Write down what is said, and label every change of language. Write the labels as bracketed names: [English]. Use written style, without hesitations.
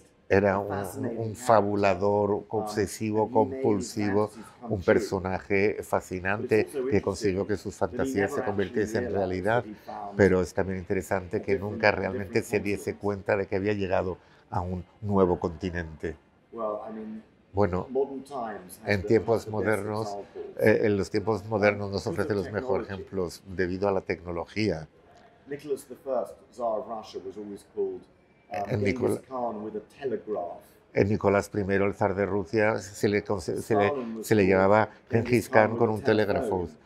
[Spanish] Era un fabulador obsesivo, compulsivo, un personaje fascinante que consiguió que sus fantasías se convirtiesen en realidad, pero es también interesante que nunca realmente se diese cuenta de que había llegado a un nuevo continente. Bueno, en tiempos modernos, en los tiempos modernos nos ofrece los mejores ejemplos debido a la tecnología. [English] Nicholas the First, Tsar of Russia, was always called Genghis Khan with a telegraph. [Spanish] En Nicolás I, el zar de Rusia, se le llamaba Genghis Khan con un telégrafo.